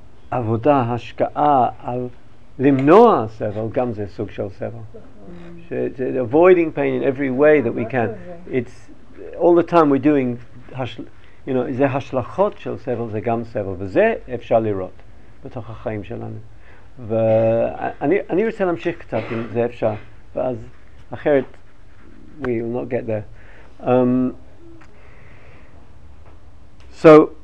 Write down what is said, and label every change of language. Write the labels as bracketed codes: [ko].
[he] עבודה, השקעה על למנוע סבל, גם זה סוג של סבל. [en] Avoiding pain in every way that we can. It's all the time we're doing, you know, [he] זה השלכות של סבל, זה גם סבל. וזה אפשר לראות בתוך החיים שלנו. ואני רוצה להמשיך קצת אם זה אפשר, ואז אחרת [en] we will not get there. So,